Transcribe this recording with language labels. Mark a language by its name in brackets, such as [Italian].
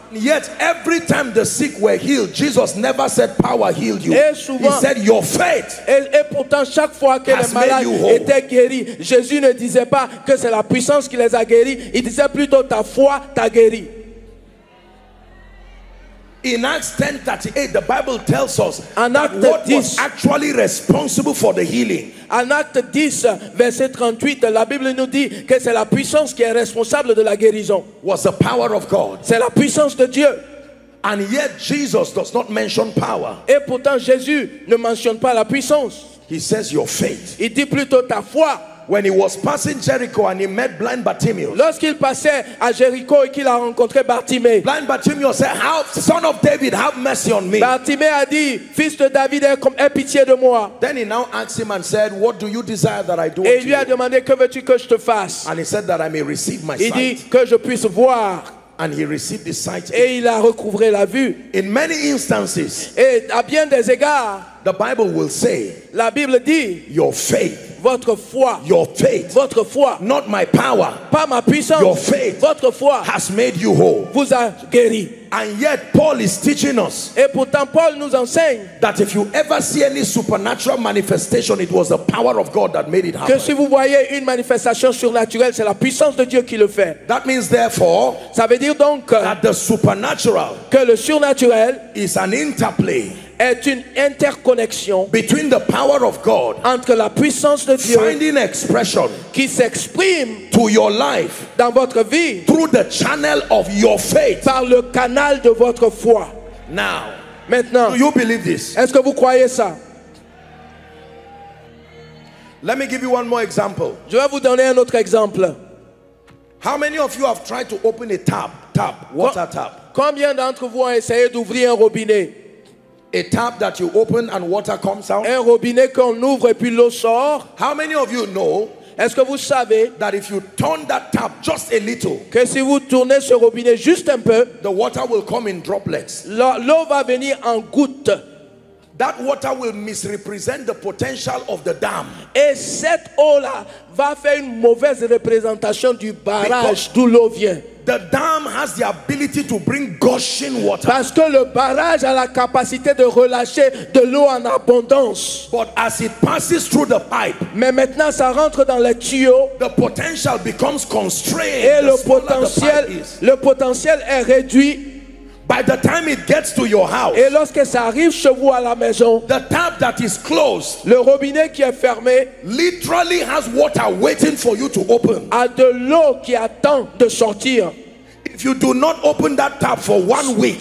[English] Yet every time the sick were healed, Jesus never said power healed you. [French] Souvent, [English] he said your faith. [French] Et pourtant chaque fois que les malades étaient guéris, Jésus ne disait pas que c'est la puissance qui les a guéris, il disait plutôt ta foi t'a guéri. [English] In Acts 10:38, the Bible tells us [French] en [English] that what [French] 10, [English] was actually responsible for the healing. [French] En Acte 10, verset 38, la Bible nous dit que c'est la puissance qui est responsable de la guérison. [English] Was the power of God. [French] C'est la puissance de Dieu. [English] And yet Jesus does not mention power. [French] Et pourtant Jésus ne mentionne pas la puissance. [English] He says your faith. [French] Il dit plutôt ta foi. [English] When he was passing Jericho and he met blind Bartimaeus. [French] Lorsqu'il passait à Jéricho et qu'il a rencontré Bartimée. [English] Blind Bartimaeus said, "Have son of David, have mercy on me." [French] Bartimée a dit, "Fils de David, aie pitié de moi." [English] Then he now asked him and said, "What do you desire that I do?" [French] Et lui a demandé, "Que veux-tu que je te fasse?" [English] And he said that I may receive my sight. [French] Il dit que je puisse voir. [English] And he received his sight. [French] Et il a recouvré la vue. [English] In many instances. [French] Et à bien des égards. [English] The Bible will say. [French] La Bible dit. [English] Your faith. [French] Votre foi, [English] your faith, [French] votre foi, [English] not my power, [French] pas ma puissance, [English] your faith, [French] votre foi, [English] has made you whole, [French] vous a guéri. [English] And yet Paul is teaching us, [French] et pourtant Paul nous enseigne, [English] that if you ever see any supernatural manifestation, it was the power of God that made it happen. [French] Que si vous voyez une manifestation surnaturelle, c'est la puissance de Dieu qui le fait. [English] That means therefore, [French] ça veut dire donc, [English] that the supernatural, [French] que le surnaturel, [English] is an interplay, [French] est une interconnexion [English] between the power of God [French] entre la puissance de Dieu [English] finding expression [French] qui s'exprime [English] to your life [French] dans votre vie [English] through the channel of your faith [French] par le canal de votre foi. [English] Now, [French] maintenant, [English] do you believe this? [French] Est-ce que vous croyez ça? [English] Let me give you one more example. [French] Je vais vous donner un autre exemple. [English] How many of you have tried to open a tap? Tap, water tap. [French] Combien d'entre vous ont essayé d'ouvrir un robinet? [English] A tap that you open and water comes out. [French] Un robinet qu'on ouvre et puis l'eau sort. [English] How many of you know? [French] Est-ce que vous savez [English] that if you turn that tap just a little, [French] que si vous tournez ce robinet juste un peu, [English] the water will come in droplets. [French] L'eau va venir en gouttes. [English] That water will misrepresent the potential of the dam. [French] Et cette eau là va faire une mauvaise représentation du barrage d'où l'eau vient. [English] The dam has the ability to bring gushing water. [French] Parce que le barrage a la capacité de relâcher de l'eau en abondance. [English] But as it passes through the pipe, [French] mais maintenant ça rentre dans les tuyaux, [English] the potential becomes constrained. [French] Et le potentiel est réduit. [English] By the time it gets to your house, [French] et lorsque ça arrive chez vous à la maison, [English] the tap that is closed, [French] le robinet qui est fermé, [English] literally has water waiting for you to open. [French] A de l'eau qui attend de sortir. [English] If you do not open that tap for 1 week,